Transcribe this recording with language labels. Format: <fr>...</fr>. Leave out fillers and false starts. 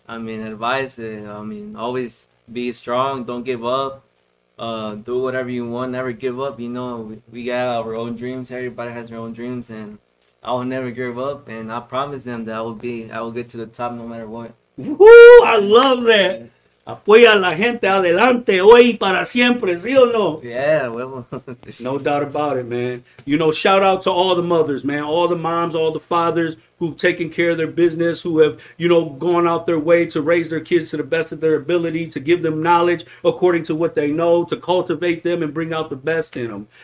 <en>I mean, advice. I mean, always be strong. Don't give up. Do whatever you want, never give up. You know, we got our own dreams. Everybody has their own dreams, and I will never give up. And I promise them that I will get to the top no matter what. Woo! I love that.</en> <es>Apoya la gente adelante hoy y para siempre, ¿sí o no?</es> <en>Yeah, well. No doubt about it, man. You know, shout out to all the mothers, man. All the moms, all the fathers who've taken care of their business, who have, you know, gone out their way to raise their kids to the best of their ability, to give them knowledge according to what they know, to cultivate them and bring out the best in them.</en>